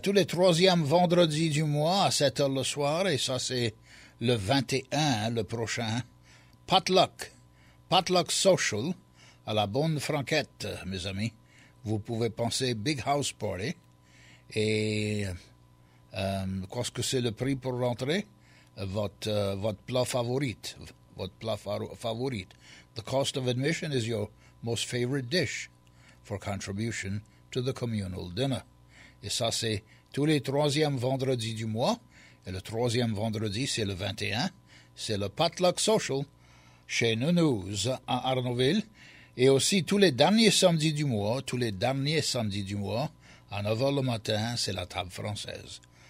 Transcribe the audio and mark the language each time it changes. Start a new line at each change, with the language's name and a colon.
French: Tous les troisièmes vendredis du mois, à 7h le soir, et ça, c'est le 21, le prochain, Potluck. Potluck Social, à la Bonne Franquette, mes amis. Vous pouvez penser
English: Big House Party.
French: Et qu'est-ce que c'est le prix pour rentrer? Votre plat favorite.
English: The cost of admission is your most favorite dish. for contribution to the communal dinner.
French: Et ça, c'est tous les troisièmes vendredis du mois. Et le troisième vendredi, c'est le 21. C'est le Potluck Social chez Nounouz à Arnouville. Et aussi tous les derniers samedis du mois, à 9h le matin, c'est la table française.